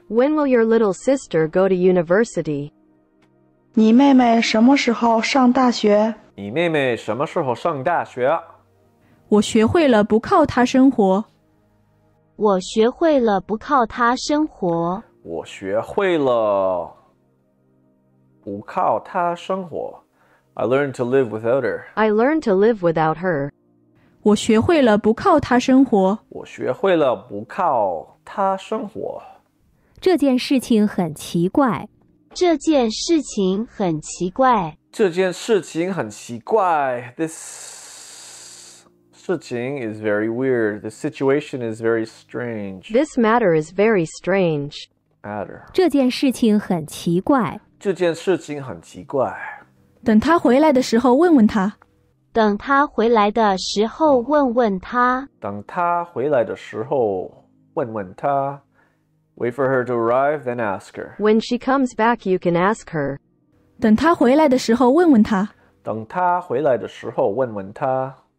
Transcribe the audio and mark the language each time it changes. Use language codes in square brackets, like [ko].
[en] When will your little sister go to university? [zh] 你妹妹什么时候上大学？你妹妹什么时候上大学？我学会了不靠她生活。我学会了不靠她生活。我学会了不靠她生活。 [en] I learned to live without her. I learned to live without her. [zh] 我学会了不靠她生活。我学会了不靠她生活。这件事情很奇怪。这件事情很奇怪。这件事情很奇怪。 [en] This 事情 is very weird. The situation is very strange. This matter is very strange. Matter. [zh] 这件事情很奇怪。这件事情很奇怪。等他回来的时候问问他。等他回来的时候问问他。等他回来的时候问问他。 [en] Wait for her to arrive, then ask her. When she comes back, you can ask her. [zh] 等他回来的时候问问他。等他回来的时候问问他。